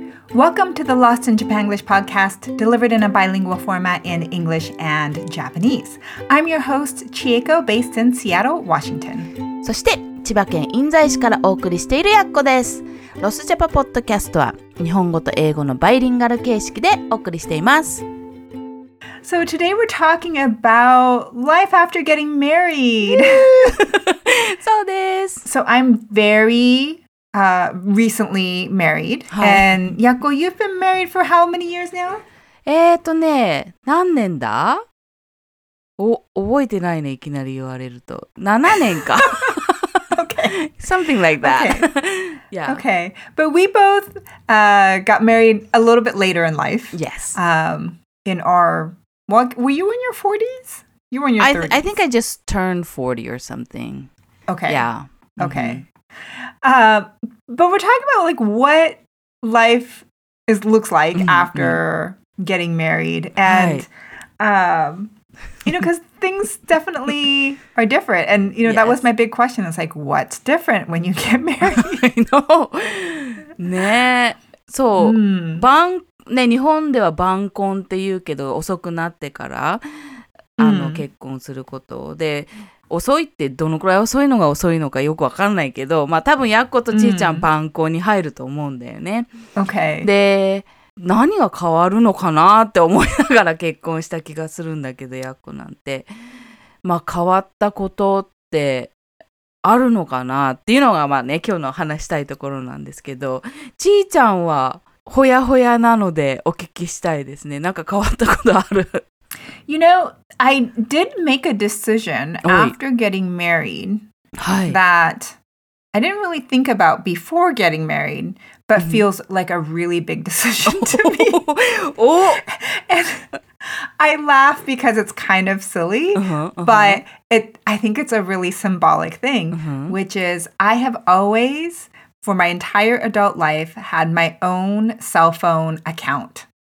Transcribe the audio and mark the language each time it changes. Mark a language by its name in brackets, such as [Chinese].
[English] Welcome to the Lost in Japan English podcast, delivered in a bilingual format in English and Japanese. I'm your host, Chieko, based in Seattle, Washington. [Japanese] そして、千葉県印西市からお送りしているやっこです。ロスジャパポッドキャストは、日本語と英語のバイリンガル形式でお送りしています。 [English] So today we're talking about life after getting married. [Japanese] そうです。 [English] So I'm very... recently married. And Yakko, you've been married for how many years now? [Japanese] 何年だ？お、覚えてないね、いきなり言われると。 7年か。 [English] Okay. Something like that. Okay. Yeah. Okay. But we both got married a little bit later in life. Yes. In our... What, were you in your 40s? You were in your 30s. I think I just turned 40 or something. Okay. Yeah. Okay. Mm-hmm. But we're talking about like what life is looks like mm-hmm. after mm-hmm. getting married, and you know, because things definitely are different. And you know, yes. that was my big question. It's like, what's different when you get married? I know. [Japanese] ね、そう、晩、ね、日本では晩婚って言うけど、遅くなってから結婚することで。遅いってどのくらい遅いのが遅いのかよくわかんないけど、まあ多分やっことちいちゃん晩婚に入ると思うんだよね。 [English] Okay. [Japanese] で、何が変わるのかなって思いながら結婚した気がするんだけど、やっこなんて。まあ変わったことってあるのかなっていうのがまあね、今日の話したいところなんですけど、ちいちゃんはほやほやなのでお聞きしたいですね。なんか変わったことある？ [English] You know, I did make a decision after getting married that I didn't really think about before getting married, but feels like a really big decision to me. And I laugh because it's kind of silly, but I think it's a really symbolic thing, which is I have always, for my entire adult life, had my own cell phone account.